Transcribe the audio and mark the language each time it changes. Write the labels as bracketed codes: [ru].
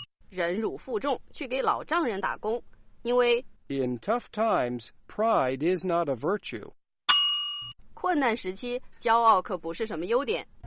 [zh] 忍辱负重去给老丈人打工，因为 [en] in tough times, pride is not a virtue. [zh] 困难时期骄傲可不是什么优点。